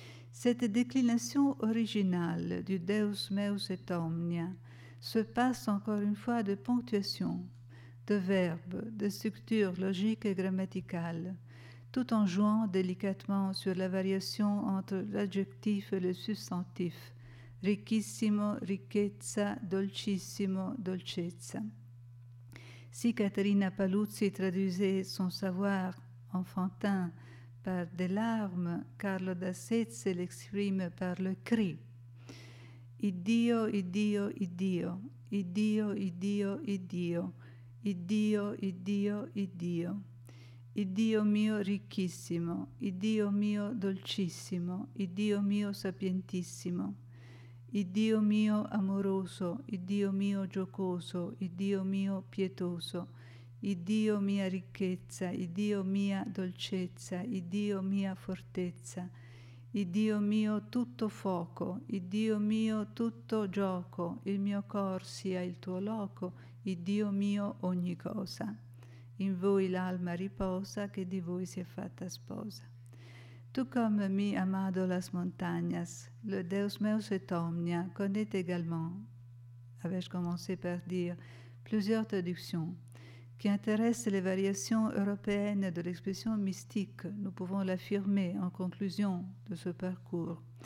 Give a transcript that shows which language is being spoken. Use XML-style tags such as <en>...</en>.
<fr>Cette déclination originale du « Deus meus et omnia » se passe encore une fois de ponctuation, de verbe, de structure logique et grammaticale, tout en jouant délicatement sur la variation entre l'adjectif et le substantif,</fr> <it>ricchissimo, ricchezza, dolcissimo, dolcezza.</it> <fr>Si Caterina Paluzzi traduisait son savoir enfantin par des larmes, Carlo da Sezze l'exprime par le cri.</fr> <it>Iddio, Iddio, Iddio, Iddio, Iddio, Iddio, Iddio, Iddio, Iddio, Iddio mio ricchissimo, Iddio mio dolcissimo, Iddio mio sapientissimo, Iddio mio amoroso, Iddio mio giocoso, Iddio mio pietoso, Iddio mia ricchezza, Iddio mia dolcezza, Iddio mia fortezza, Iddio mio tutto fuoco, Iddio mio tutto gioco, il mio cor sia il tuo loco, Iddio mio ogni cosa. In voi l'alma riposa che di voi si è fatta sposa.</it> <es>Tu come mi amado las montagnas,</es> <fr>le Deus meus et omnia connaît également, avais-je commencé par dire, plusieurs traductions qui intéressent les variations européennes de l'expression mystique, nous pouvons l'affirmer en conclusion de ce parcours.</fr>